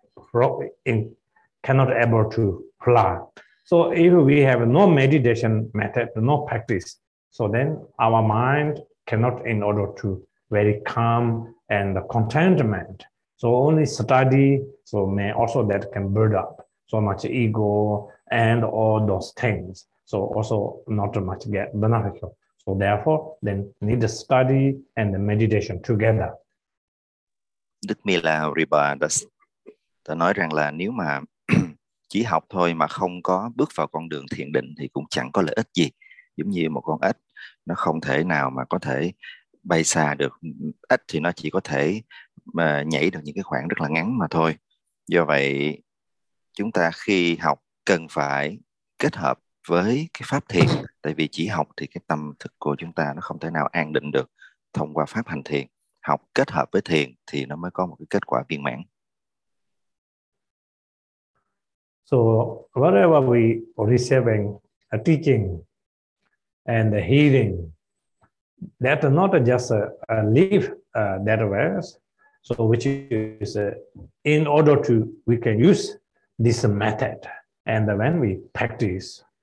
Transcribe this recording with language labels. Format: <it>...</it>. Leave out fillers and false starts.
<en>Frog cannot able to fly. So if we have no meditation method, no practice, so then our mind cannot in order to very calm and contentment. So only study, so may also that can build up so much ego and all those things. So also not much get beneficial. So therefore, then need the study and the meditation together.</en> <vi>Đức Mila Ripa đã nói rằng là nếu mà chỉ học thôi mà không có bước vào con đường thiền định thì cũng chẳng có lợi ích gì. Giống như một con ếch, nó không thể nào mà có thể bay xa được. Ếch thì nó chỉ có thể nhảy được những cái khoảng rất là ngắn mà thôi. Do vậy, chúng ta khi học cần phải kết hợp với cái pháp thiền. Tại vì chỉ học thì cái tâm thức của chúng ta nó không thể nào an định được thông qua pháp hành thiền. Học kết hợp với thiền thì nó mới có một cái kết quả viên mãn.</vi> <en>So whatever we receiving a teaching and the hearing, that is not just a leave that verse. So which is in order to we can use this method and when we practice.</en>